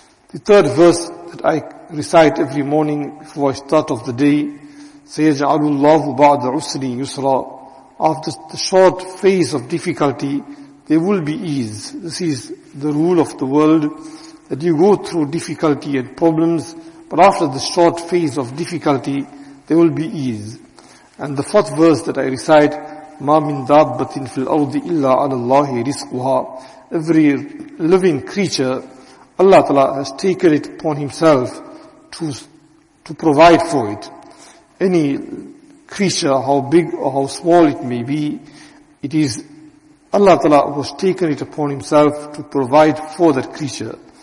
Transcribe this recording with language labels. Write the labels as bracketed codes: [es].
[en] The third verse that I recite every morning before I start off the day, [ar] سَيَجْعَلُ اللَّهُ بَعْدَ عُسْرٍ يُسْرًا. [en] After the short phase of difficulty, there will be ease. This is the rule of the world, that you go through difficulty and problems, but after the short phase of difficulty, there will be ease. And the fourth verse that I recite, [ar] مَا مِنْ دَابَّةٍ فِي الْأَرْضِ إِلَّا عَلَى اللَّهِ رِزْقُهَا. [en] Every living creature, Allah Ta'ala has taken it upon Himself to provide for it. Any creature, how big or how small it may be, it is Allah Ta'ala who has taken it upon Himself to provide for that creature.